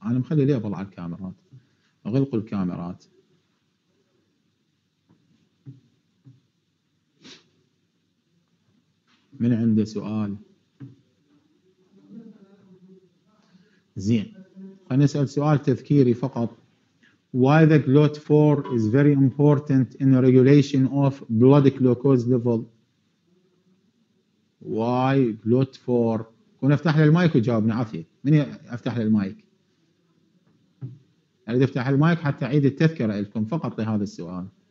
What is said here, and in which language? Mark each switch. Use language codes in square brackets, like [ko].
[ar] أنا مخلي ليه أضل على الكاميرات؟ غلقوا الكاميرات. من عنده سؤال؟ زين خلني أسأل سؤال تذكيري فقط. [en] Why the GLUT4 is very important in the regulation of blood glucose level? Why GLUT4? [ar] كون افتح لي المايك وجاوبني عافية. من افتح لي المايك؟ اريد افتح المايك حتى اعيد التذكرة لكم فقط لهذا السؤال.